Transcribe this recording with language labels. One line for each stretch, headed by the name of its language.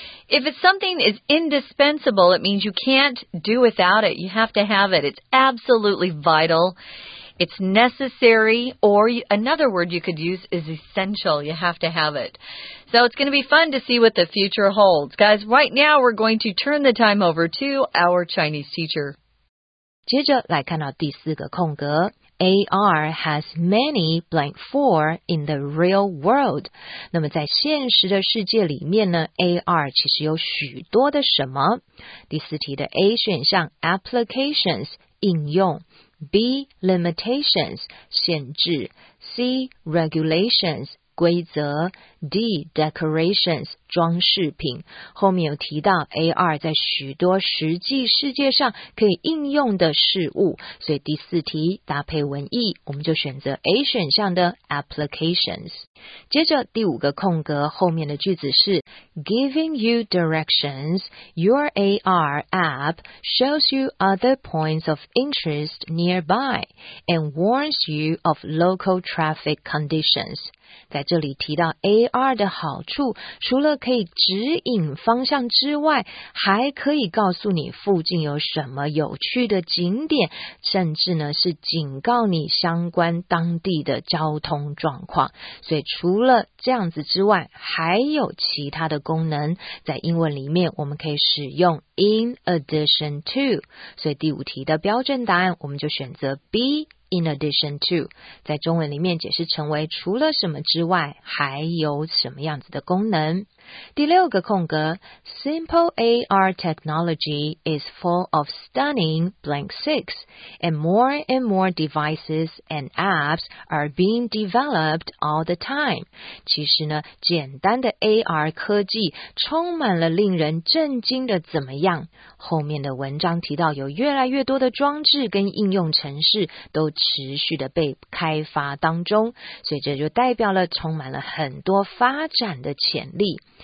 English: If it's something is indispensable, it means you can't do without it. You have to have it. It's absolutely vital. It's necessary, or another word you could use is essential. You have to have it. So it's going to be fun to see what the future holds. Guys, right now we're going to turn the time over to our Chinese teacher.
Chinese: 接着来看到第四个空格。
English: AR has many blank for in the real world.
Chinese: 那么在现实的世界里面呢 ,AR 其实有许多的什么。第四题的 A 选项 ,applications, 应用。
English: B, limitations,
Chinese: 限制。
English: C, regulations,
Chinese: 规则。
English: D, decorations,
Chinese: 装饰品。后面有提到 AR 在许多实际世界上可以应用的事物。所以第四题搭配文意我们就选择 A 选项的 applications。接着第五个空格后面的句子是
English: Giving you directions, your AR app shows you other points of interest nearby and warns you of local traffic conditions.
Chinese: 在这里提到 AR AR 的好处除了可以指引方向之外还可以告诉你附近有什么有趣的景点甚至呢是警告你相关当地的交通状况所以除了这样子之外还有其他的功能在英文里面我们可以使用
English: in addition to
Chinese: 所以第五题的标准答案我们就选择 B
English: In addition to,
Chinese: 在中文里面解释成为除了什么之外还有什么样子的功能。第六个空格 ,
English: Simple AR technology is full of stunning blank six, and more devices and apps are being developed all the time.
Chinese: 其实呢简单的 AR 科技充满了令人震惊的怎么样。后面的文章提到有越来越多的装置跟应用程式都持续的被开发当中所以这就代表了充满了很多发展的潜力。